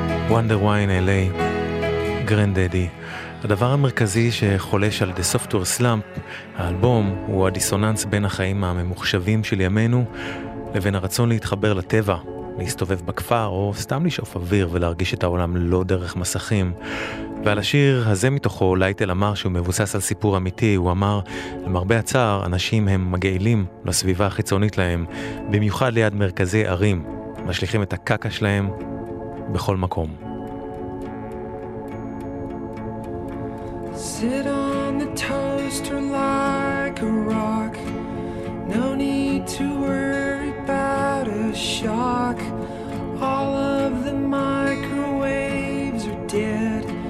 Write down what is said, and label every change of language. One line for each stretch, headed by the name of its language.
English: Wonder Wine LA, גרנדדי.
Hebrew: הדבר המרכזי שחולש על The Software Slump, האלבום, הוא הדיסוננס בין החיים הממוחשבים של ימינו לבין הרצון להתחבר לטבע, להסתובב בכפר או סתם לשאוף אוויר ולהרגיש את העולם לא דרך מסכים. ועל השיר הזה מתוכו לייטל אמר שהוא מבוסס על סיפור אמיתי. הוא אמר, למרבה הצער, אנשים הם מגעילים לסביבה החיצונית להם, במיוחד ליד מרכזי ערים, משליחים את הקקה שלהם בכל מקום.
English: Sit on the toaster like a rock. No need to worry about a shock. All of the microwaves are dead.